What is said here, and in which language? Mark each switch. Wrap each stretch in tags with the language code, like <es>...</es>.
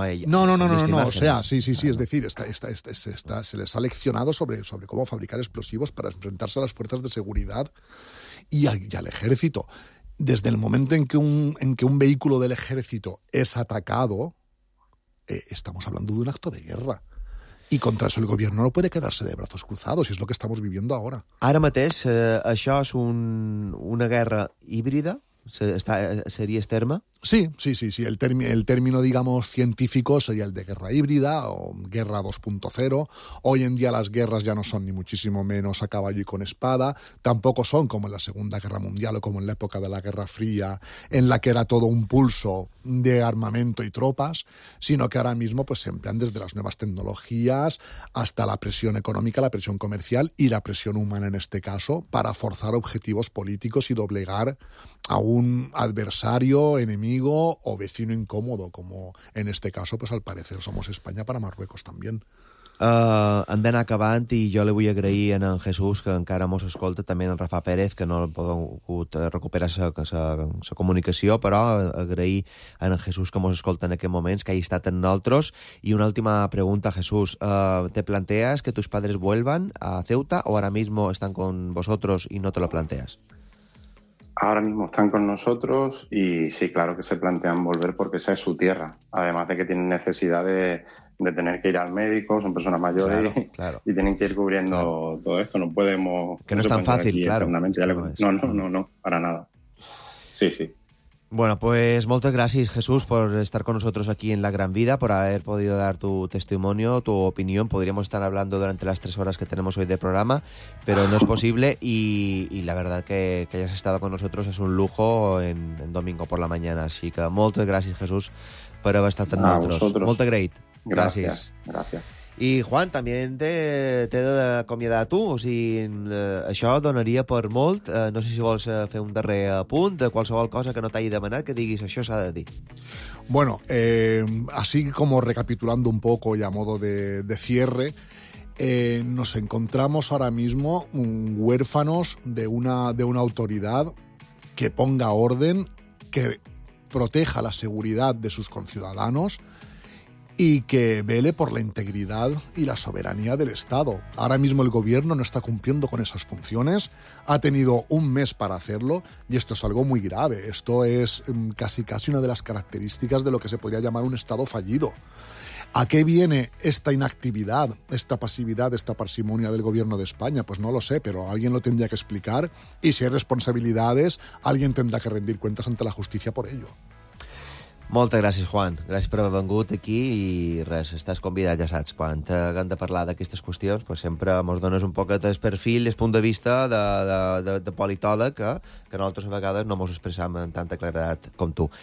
<es>No, o sea, sí, es decir, está, se les ha leccionado sobre cómo fabricar explosivos para enfrentarse a las fuerzas de seguridad y al ejército. Desde el momento en que un vehículo del ejército es atacado, estamos hablando de un acto de guerra. I contra eso el gobierno no puede quedarse de brazos cruzados, y es lo que estamos viviendo ahora.</es> <ca>Ara mateix, això és una guerra híbrida, seria el terme?</ca> <es>Sí. El término, digamos, científico sería el de guerra híbrida o guerra 2.0. Hoy en día las guerras ya no son ni muchísimo menos a caballo y con espada. Tampoco son como en la Segunda Guerra Mundial o como en la época de la Guerra Fría, en la que era todo un pulso de armamento y tropas, sino que ahora mismo pues se emplean desde las nuevas tecnologías hasta la presión económica, la presión comercial y la presión humana en este caso, para forzar objetivos políticos y doblegar a un adversario, enemigo o vecino incómodo, como en este caso, pues al parecer somos España para Marruecos también.</es> <ca>Hem d'anar acabant, i jo li vull agrair a en Jesús, que encara mos escolta, també en Rafa Pérez, que no ha pogut recuperar sa comunicació, però agrair a en Jesús que mos escolta en aquests moments, que hagi estat en nosaltres. I una última pregunta, Jesús.</ca> <es>¿Te planteas que tus padres vuelvan a Ceuta o ahora mismo están con vosotros y no te lo planteas? Ahora mismo están con nosotros y sí, claro que se plantean volver porque esa es su tierra. Además de que tienen necesidad de tener que ir al médico, son personas mayores, claro. Y tienen que ir cubriendo todo esto. No podemos... Que no es tan fácil, claro. No, para nada. Sí, sí. Bueno, pues muchas gracias, Jesús, por estar con nosotros aquí en La Gran Vida, por haber podido dar tu testimonio, tu opinión. Podríamos estar hablando durante las 3 horas que tenemos hoy de programa, pero no es posible, y la verdad que hayas estado con nosotros es un lujo en domingo por la mañana. Así que muchas gracias, Jesús, por haber estado con nosotros. Muchas great. Gracias.</es> <ca>I, Juan, també t'he d'acomiadar a tu. O sigui, això donaria per molt. No sé si vols fer un darrer apunt de qualsevol cosa que no t'hagi demanat, que diguis això s'ha de dir.</ca> <es>Bueno, así como recapitulando un poco y a modo de cierre, nos encontramos ahora mismo huérfanos de una autoridad que ponga orden, que proteja la seguridad de sus conciudadanos y que vele por la integridad y la soberanía del Estado. Ahora mismo el gobierno no está cumpliendo con esas funciones, ha tenido un mes para hacerlo, y esto es algo muy grave. Esto es casi una de las características de lo que se podría llamar un Estado fallido. ¿A qué viene esta inactividad, esta pasividad, esta parsimonia del gobierno de España? Pues no lo sé, pero alguien lo tendría que explicar, y si hay responsabilidades, alguien tendrá que rendir cuentas ante la justicia por ello.</es> <ca>Moltes gràcies, Juan. Gràcies per haver vengut aquí, i res, estàs convidat, ja saps. Quan hem de parlar d'aquestes qüestions, pues sempre ens dones un poquet el perfil, el punt de vista de politòleg, que nosaltres a vegades no ens expressem amb tanta claredat com tu.</ca>